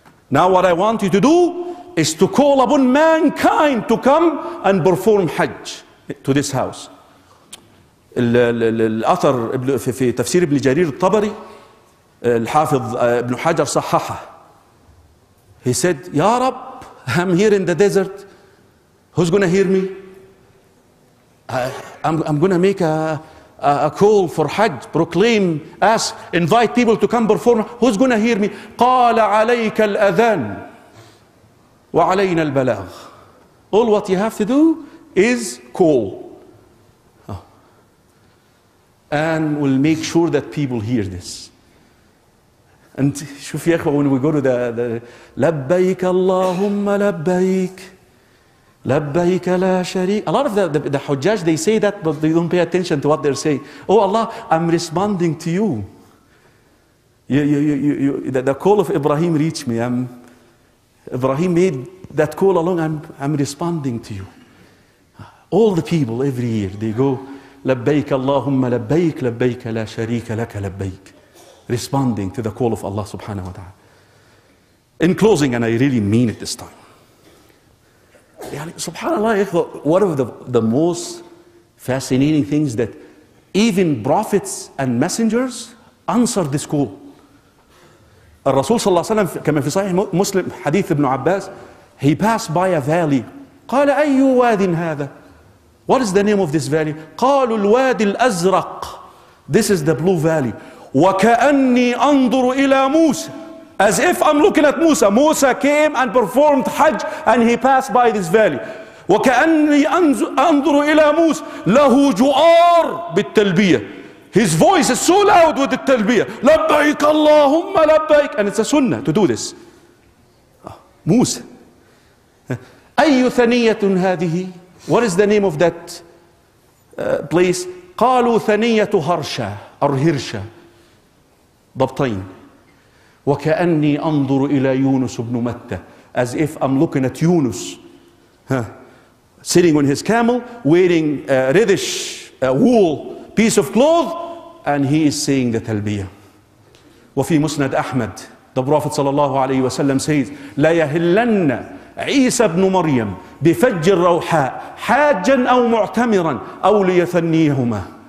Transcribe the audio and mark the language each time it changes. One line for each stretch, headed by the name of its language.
English: Now what I want you to do is to call upon mankind to come and perform Hajj to this house.
Arabic: الأثر في تفسير ابن جرير الطبري الحافظ ابن حجر صححه.
English: He said, يا رب, I'm here in the desert. Who's gonna hear me? I'm gonna make a call for Hajj, proclaim, ask, invite people to come perform. Who's gonna hear me?
Arabic: قال عليك الأذان وعلينا البلاغ.
English: All what you have to do is call. And we'll make sure that people hear this.
Arabic: And شوف يا أخوة,
English: when we go to the
Arabic: لبيك اللهم لبيك لبيك لا شريك.
English: A lot of the حجاج, they say that, but they don't pay attention to what they're saying. Oh Allah, I'm responding to you. The call of Ibrahim reached me. Ibrahim made that call along. I'm responding to you. All the people every year they go.
Arabic: لبيك اللهم لبيك لبيك لا شريك لك لبيك.
English: Responding to the call of Allah subhanahu wa ta'ala. In closing, and I really mean it this time. يعني subhanAllah, one of the most fascinating things that even prophets and messengers answered this call.
Arabic: الرسول صلى الله عليه وسلم كما في صحيح مسلم حديث ابن عباس,
English: he passed by a valley
Arabic: قال أي واد هذا؟
English: What is the name of this valley?
Arabic: قالوا الوادي الأزرق.
English: This is the blue valley.
Arabic: وكأني أنظر إلى موسى.
English: As if I'm looking at Musa. Musa came and performed Hajj and he passed by this valley.
Arabic: وكأني أنظر إلى موسى له جؤار بالتلبية.
English: His voice is so loud with the تلبية.
Arabic: لبيك اللهم لبيك.
English: And it's a sunnah to do this. موسى.
Arabic: أي ثنية هذه؟
English: What is the name of that place?
Arabic: قالوا ثنية هرشا أو هرشا ضبطين. وكأني أنظر إلى يونس بن متى.
English: As if I'm looking at Yunus. Sitting on his camel, wearing a reddish wool piece of cloth, and he is saying the تلبية.
Arabic: وفي مسند أحمد, the Prophet صلى الله عليه وسلم says, لا يهلن عيسى بن مريم بفج الروحاء حاجا أو معتمرا أو ليثنيهما.